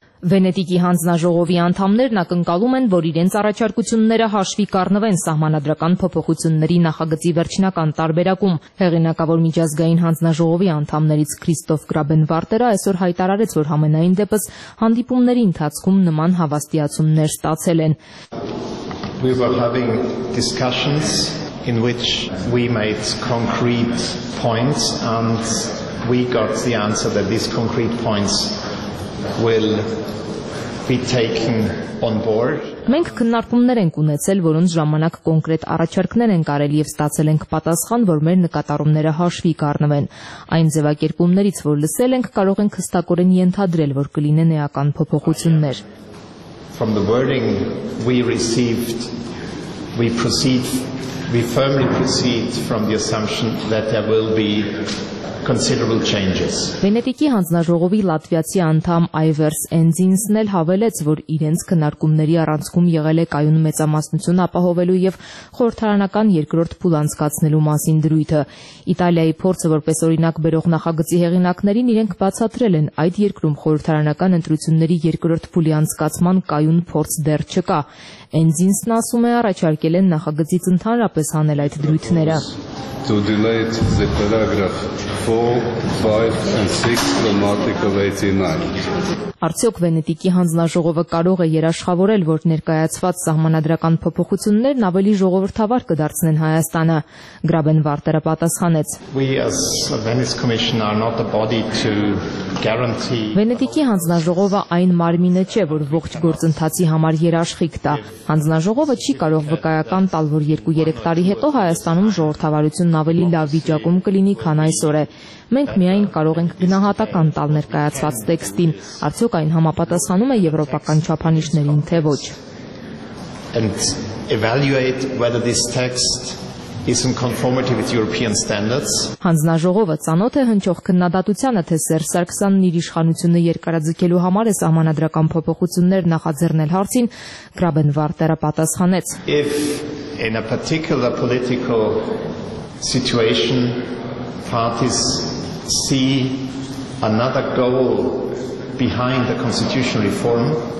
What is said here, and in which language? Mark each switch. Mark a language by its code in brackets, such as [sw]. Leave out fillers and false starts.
[hy] Վենետիկի հանձնաժողովի անդամներն ակնկալում են, որ իրենց առաջարկությունները հաշվի կառնվեն սահմանադրական փոփոխությունների նախագծի վերջնական տարբերակում։ Հեղինակավոր միջազգային հանձնաժողովի անդամներից Քրիստոֆ Գրաբենվարտերը այսօր հայտարարեց, որ համենայն դեպս հանդիպումների ընթացքում նման հավաստիացումներ ստացել են։ [en] We were having discussions in which we made concrete points and we got the answer that these concrete points will be taken on board. [hy] Մենք քննարկումներ ենք ունեցել, որոնց ժամանակ կոնկրետ առաջարկներ են կարելի եւ ստացել ենք պատասխան, որ մեր նկատառումները հաշվի կառնվեն։ Այն ձևակերպումներից, որ լսել ենք, կարող ենք հստակորեն ենթադրել, որ կլինեն էական փոփոխություններ։ [en] From the wording we received, we firmly proceed from the assumption that there will be considerable changes. [hy] Վենետիկի հանձնաժողովի լատվիացի անդամ Այվերս Էնզինսն էլ հավելեց, որ իրենց քննարկումների առանցքում եղել է կայուն մեծամասնություն ապահովելու եւ խորհրդարանական երկրորդ փուլ անցկացնելու մասին դրույթը։ Իտալիայի փորձը, որպես օրինակ բերող նախագծի հեղինակներին, իրենք բացատրել են, այդ երկրում խորհրդարանական ընտրությունների երկրորդ փուլի անցկացման կայուն փորձ դեռ չկա։ Էնզինսն ասում է, առաջարկել են նախագծից ընդհանրապես հանել այդ դրույթները։ [en] To delay the paragraph 4, 5 and 6 from Article 89. [hy] Արդյոք Վենետիկի հանձնաժողովը կարող է երաշխավորել, որ ներկայացված սահմանադրական փոփոխություններն ավելի ժողովրդավար կդարձնեն Հայաստանը։ Գրաբենվարտերը պատասխանեց. [en] We as a Venice Commission are not the body to guarantee. [hy] Վենետիկի հանձնաժողովը այն մարմինը չէ, որ ողջ գործընթացի համար երաշխի կտա։ Հանձնաժողովը չի կարող վկայական տալ, որ 2-3 տարի հետո Հայաստանում ժողովրդավարությունն ավելի լավ վիճակում կլինի, քան այսօր է։ Մենք միայն կարող ենք գնահատական տալ ներկայացված տեքստին, արդյոք այն համապատասխանում է եվրոպական չափանիշներին, թե ոչ։ [en] And evaluate whether this text is in conformity with European standards. [hy] Հանձնաժողովը ցանոթ է հնչող քննադատությանը, թե Սերժ Սարգսյանն իր իշխանությունը երկարաձգելու համար է սահմանադրական փոփոխություններ նախաձեռնել հարցին, Գրաբենվարտերը պատասխանեց. [en] If in a particular political situation parties see another goal behind the constitutional reform.